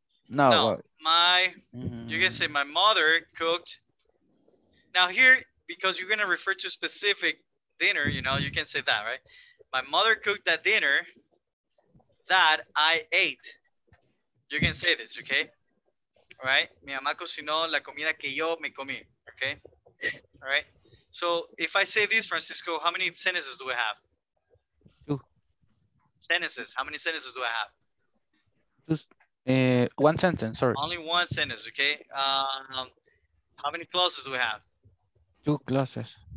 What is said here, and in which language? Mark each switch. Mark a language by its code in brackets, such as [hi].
[en] You can say my mother cooked. Now here, because you're gonna refer to specific dinner, you know, you can say that, right? My mother cooked that dinner that I ate. You can say this, okay? All right? [es] Mi mamá cocinó la comida que yo me comí, okay? [en] All right? So if I say this, Francisco, how many sentences do I have? Two. Sentences. How many sentences do I have? Just one sentence, sorry. Only one sentence, okay? How many clauses do we have? Two clauses.